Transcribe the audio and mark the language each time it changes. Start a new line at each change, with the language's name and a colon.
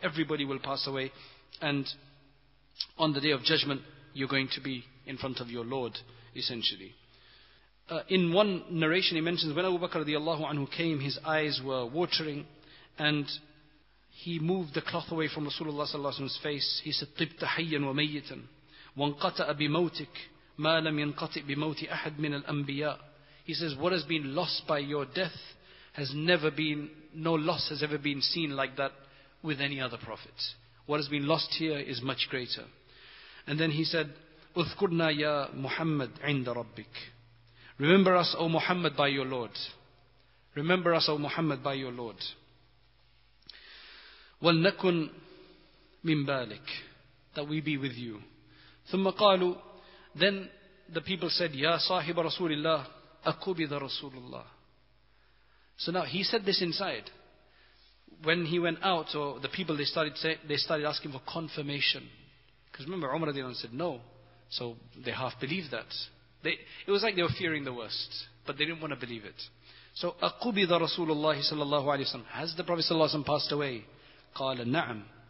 English: Everybody will pass away. And on the day of judgment, you're going to be in front of your Lord, essentially. In one narration, he mentions, when Abu Bakr radiallahu anhu came, his eyes were watering and he moved the cloth away from Rasulullah sallallahu alaihi wasallam's face.
Arabic: He said, طِبْتَ حَيًّا وَمَيِّتًا وَانْقَطَأَ بِمَوْتِكَ مَا لَمْ يَنْقَطِئْ بِمَوْتِ أَحَدْ مِنَ الْأَنْبِيَاءِ.
English: He says, what has been lost by your death has never been, no loss has ever been seen like that with any other prophet. What has been lost here is much greater. And then he said,
Arabic: اُذْكُرْنَا يَا مُحَمَّدْ عِنْدَ رَبِّكَ.
English: Remember us, O Muhammad, by your Lord. Remember us, O Muhammad, by your Lord.
Arabic: وَلْنَكُنْ مِنْ بَالِكَ,
English: that we be with you.
Arabic: ثُمَّ قَالُوا,
English: then the people said,
Arabic: يَا صَاحِبَ رَسُولِ اللَّهِ أَكُبِذَ رَسُولُ اللَّهِ.
English: So now he said this inside. When he went out, or the people, they started asking for confirmation. Because remember, Umar radiallahu anhu said no. So they half believed that. It was like they were fearing the worst, but they didn't want to believe it.
Arabic: So أَقُبِذَ رَسُولُ اللَّهِ صَلَى اللَّهُ عَلَيْهِ وَسَلَّمَ.
English: Has the Prophet sallallahu alaihi passed away?
Arabic: قَالَ نَعَمْ.